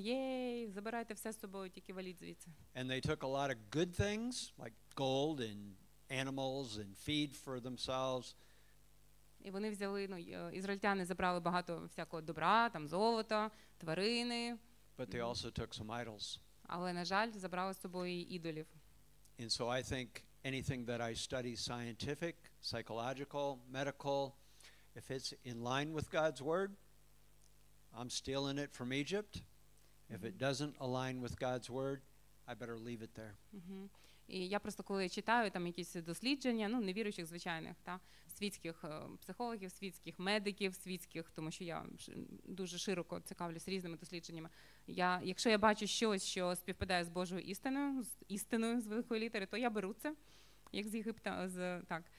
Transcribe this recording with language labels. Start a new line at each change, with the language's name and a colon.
Ukrainian: Єй, забирайте все з собою, тільки валіть звідси.
English: And they took a lot of good things, like gold and animals and feed for themselves.
Ukrainian: І вони взяли, ну, ізраїльтяни забрали багато всякого добра, там золото, тварини.
English: But they also took some idols.
Ukrainian: Але, на жаль, забрали з собою ідолів.
English: And so I think anything that I study scientific, psychological, medical, if it's in line with God's word, I'm stealing it from Egypt. If it doesn't align with God's word, I better leave it there.
Ukrainian: І я просто коли читаю там якісь дослідження, ну, невіруючих звичайних, та світських психологів, світських медиків, світських, тому що я дуже широко цікавлюсь різними дослідженнями. Якщо я бачу щось, що співпадає з Божою істиною, з істиною з великої літери, то я беру це, як з Єгипта, так.